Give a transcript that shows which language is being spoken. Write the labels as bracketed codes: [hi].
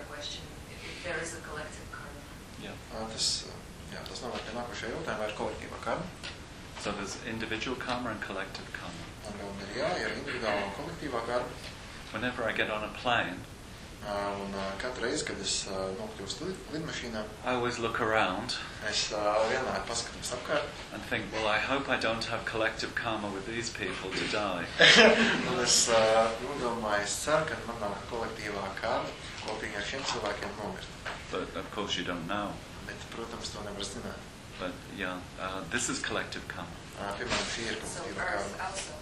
[en] that leads me to another question. If there is a collective karma. Yeah. [lv] Tas nav tikai nākošajā jautājumā, vai ir kolektīvā karma. [en] So there's individual karma and collective karma. [lv] Un vēl ir jā, ir individuālā un kolektīvā karma. [en] Whenever I get on a plane, [lv] un katru reizi, kad es nokļūstu lidmašīnā, [en] I always look around. [lv] Es vienmēr paskatos apkārt. [en] And think, well, I hope I don't have collective karma with these people to die. [lv] Un es domāju, es ceru, ka man nav kolektīvā karma kopīgi ar šiem cilvēkiem nomirt. [en] But of course you don't know. [lv] Bet, protams, to nevar zināt. [en] But yeah, this is collective karma. [lv] Piemēram, šī ir kolektīvā karma.